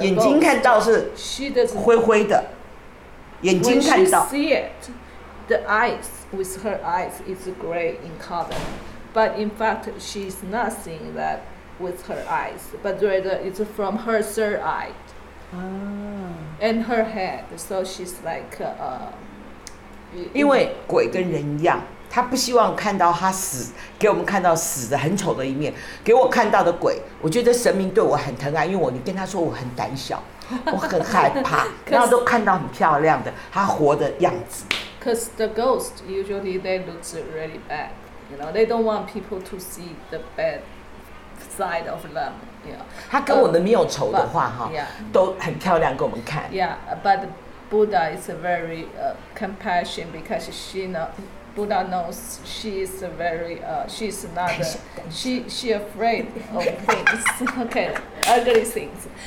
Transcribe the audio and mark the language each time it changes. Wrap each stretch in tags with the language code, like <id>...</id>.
<zh>眼睛看到是灰灰的，眼睛看到。</zh> <en>When she see it, the eyes with her eyes is gray in color, but in fact she's not seeing that with her eyes, but rather it's from her third eye. And her head, so she's like,</en> <zh>因为鬼跟人一样，他不希望看到他死，给我们看到死的很丑的一面。给我看到的鬼，我觉得神明对我很疼爱，因为你跟他说我很胆小，我很害怕，然后都看到很漂亮的他活的样子。</zh> <en>Cause the ghost usually they look really bad, you know, they don't want people to see the bad side of them.</en> <zh>他跟我们没有仇的话都很漂亮给我们看。</zh> <en>Yeah, but Buddha is a very compassion because she know, Buddha knows she is a very, she's not, a, she afraid of things, okay, ugly things.</en>